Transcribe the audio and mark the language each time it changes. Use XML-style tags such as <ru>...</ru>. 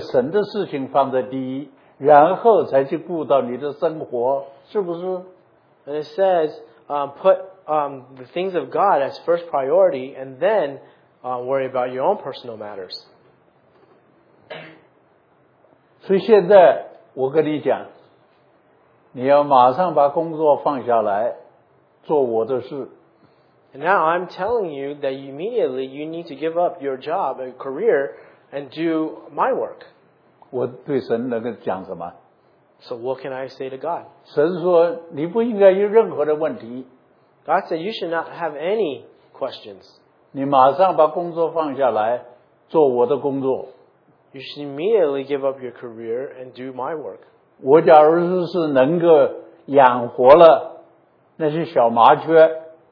<zh>你先要把这个神的事情放在第一, 然后才去顾到你的生活, 是不是?</zh> <en>And it says, put the things of God as first priority, and then worry about your own personal matters.</en> <zh>所以现在我跟你讲, 你要马上把工作放下来, 做我的事。</zh> <en>And now I'm telling you that immediately you need to give up your job and career and do my work.</en> <zh>我对神能够讲什么?</zh> <en>So what can I say to God?</en> <zh>神说你不应该有任何的问题。</zh> <en>God said you should not have any questions.</en> <zh>你马上把工作放下来, 做我的工作。</zh> <en>You should immediately give up your career and do my work.</en> <zh>我假如是能够养活了 那些小麻雀,</zh>